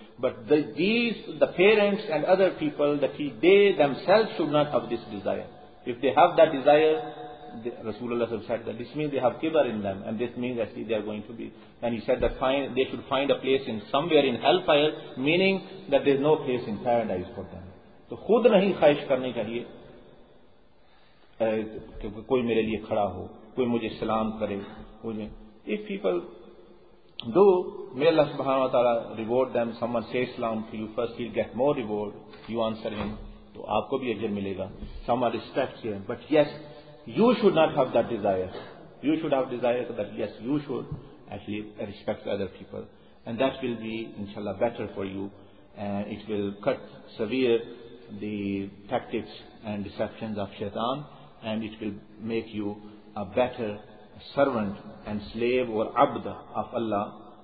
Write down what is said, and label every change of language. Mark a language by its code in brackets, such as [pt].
[en] But the parents and other people, they themselves should not have this desire. If they have that desire, Rasulullah said that this means they have kibar in them, and this means that they are going to be, and he said that they should find a place in somewhere in hellfire, meaning that there is no place in paradise for them. [ur] تو خود نہیں خواہش کرنی چاہیے کہ کوئی میرے لیے کھڑا ہو, کوئی مجھے سلام کرے. [en] If people do, may Allah subhanahu wa ta'ala reward them. Someone says salam to you first, he'll get more reward. You answer him, [ur] تو آپ کو بھی اجر ملے گا. [en] Someone respects him. But yes, you should not have that desire. You should have desire that yes, you should actually respect other people. And that will be, inshallah, better for you. It will cut severe the tactics and deceptions of shaitan, and it will make you a better servant and slave or abd of Allah.